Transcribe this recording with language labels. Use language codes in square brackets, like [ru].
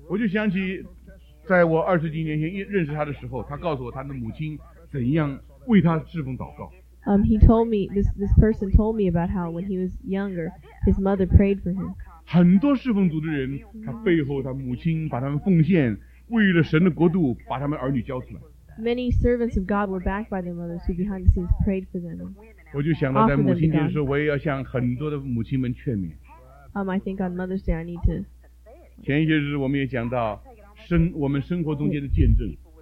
[zh] 我就想起，在我二十几年前认识他的时候，他告诉我他的母亲怎样为他侍奉祷告。 [en] He told me, this person told me about how when he was younger, his mother prayed for him. [zh] 很多侍奉组的人，他背后他母亲把他们奉献，为了神的国度把他们儿女交出来。 [en] Many servants of God were backed by their mothers who behind the scenes prayed for them. [zh] 我就想到在母亲节的时候，我也要向很多的母亲们劝勉。 [en] I think on Mother's Day I need to. [zh] 前一些日我们也讲到我们生活中间的见证。